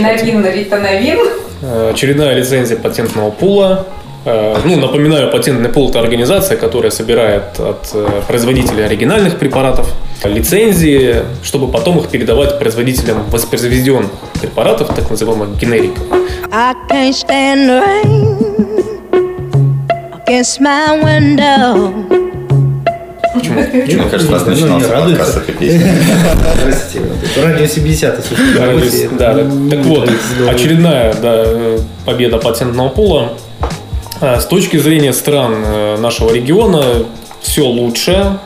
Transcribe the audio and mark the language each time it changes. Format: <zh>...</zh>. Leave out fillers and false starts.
<ru>Лопинавир-ритонавир? Очередная лицензия патентного пула. Ну, напоминаю, патентный пул – это организация, которая собирает от производителей оригинальных препаратов лицензии, чтобы потом их передавать производителям воспроизведенных препаратов, так называемых генериков.</ru> <en>I can't stand the rain against my window.</en> <ru>Почему? Мне кажется, у нас начинался подкаст с этой песни. Радио 70, слушайте. Да, так вот, очередная победа патентного пула. С точки зрения стран нашего региона, все лучше.</ru>